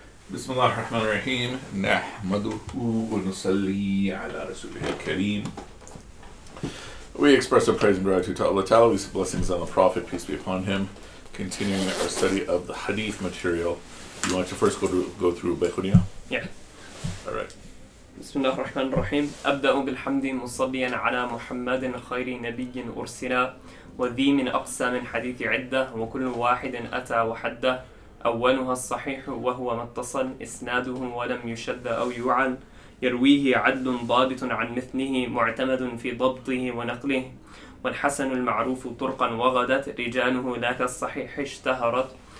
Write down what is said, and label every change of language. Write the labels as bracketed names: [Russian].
[Arabic] بسم الله الرحمن الرحيم نحمده ونصلي على رسوله الكريم. [English] We express our praise and gratitude to Allah Ta'ala. We seek blessings on the Prophet, peace be upon him. Continuing our study of the Hadith material. You want to first go through al-Bayquniyyah? Yeah. All right. [Arabic] بسم الله الرحمن الرحيم أبدأ بالحمد مصليا على محمد خير نبي أرسل وذي من أقصى من حديث عدة وكل واحد أتى وحدة أولها الصحيح وهو ما اتصل إسناده ولم يشد أو يعن يرويه عدل ضابط عن مثله معتمد في ضبطه ونقله والحسن المعروف طرقا وغدت رجاله لا كالصحيح اشتهرت